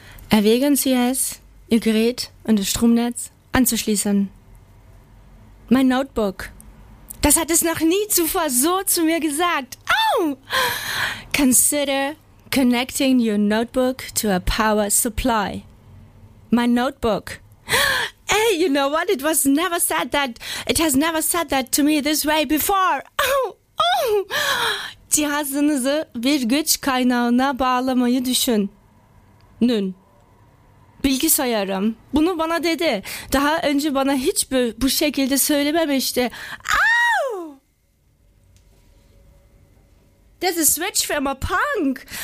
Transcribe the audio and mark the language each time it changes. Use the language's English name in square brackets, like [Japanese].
[German] Erwägen Sie es, Ihr Gerät und das Stromnetz anzuschließen. Mein Notebook. Das hat es noch nie zuvor so zu mir gesagt. Au! [English] Consider connecting your notebook to a power supply. My notebook. Hey, you know what? It was never said that. It has never said that to me this way before. Au! Au! [Turkish] Cihazınızı bir güç kaynağına bağlamayı düşün. Nün. Bilgisayarım. Bunu bana dedi. Daha önce bana hiç bu şekilde söylememişti. Au! [English] This is Switch from a Punk.